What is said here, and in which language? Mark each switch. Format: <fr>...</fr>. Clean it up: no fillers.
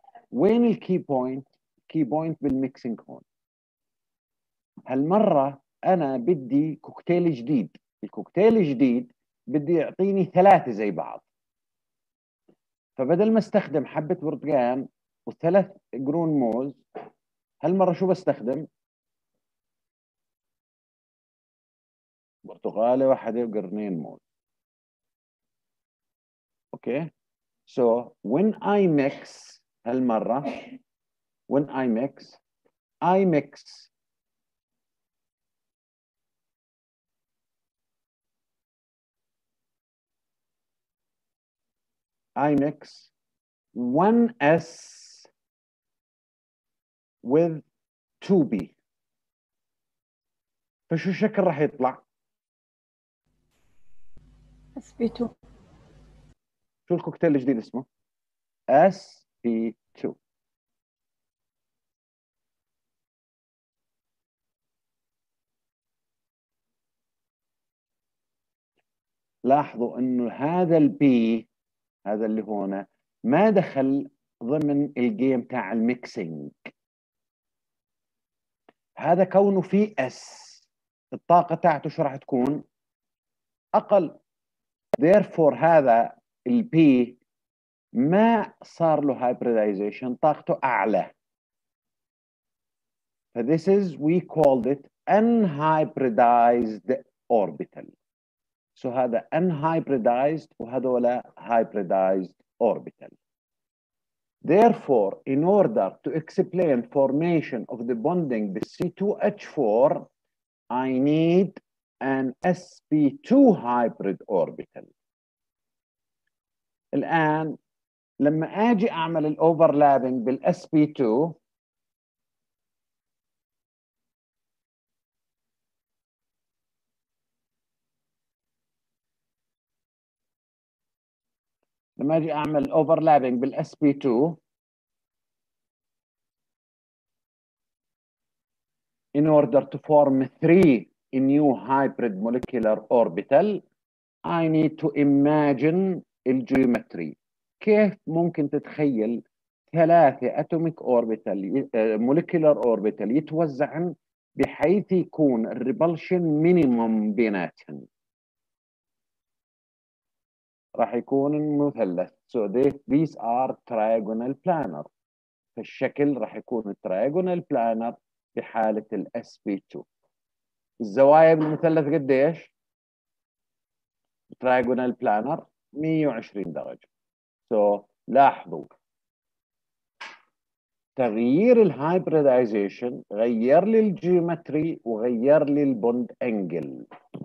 <ar>وين الكي بوينت؟ كي بوينت بالميكسينج هون. هالمرة انا بدي كوكتيل جديد، الكوكتيل الجديد بدي يعطيني 3 زي بعض. فبدل ما استخدم حبة برتقال وثلاث قرون موز، هالمرة شو بستخدم؟ برتقالة واحدة وقرنين موز.</ar> <en>Okay, so when I mix</en> <ar>هالمره,</ar> <en>when I mix I mix 1s with 2b,</en> <ar>فشو الشكل راح يطلع؟</ar> <en>sp2.</en> <ar>شو الكوكتيل الجديد اسمه؟ sp2. لاحظوا انه هذا البي, هذا اللي هون, ما دخل ضمن الجيم تاع الميكسينج. هذا كونه في اس, الطاقه تاعته شو راح تكون؟ اقل. therefore هذا البي ما صار له hybridization, طاقته اعلى.</ar> <en>this is we called it unhybridized orbital. So هذا unhybridized وهذولا hybridized orbital. Therefore, in order to explain formation of the bonding with C2H4, I need an sp2 hybrid orbital.</en> <ar>الآن لما أجي أعمل ال overlapping بال sp2, لما اجي اعمل</ar> <en>overlapping بال sp2 in order to form three new hybrid molecular orbital, I need to imagine the geometry.</en> <ar>كيف ممكن تتخيل ثلاثة atomic orbital molecular orbital يتوزعن بحيث يكون repulsion minimum بيناتهن؟ راح يكون المثلث.</ar> <en>So these are trigonal planar.</en> <ar>فالشكل راح يكون trigonal planar بحالة ال sp2. الزوايا بالمثلث قديش؟ trigonal planar 120 درجة. So لاحظوا تغيير ال hybridization غير لي ال geometry وغير لي ال bond angle.</ar>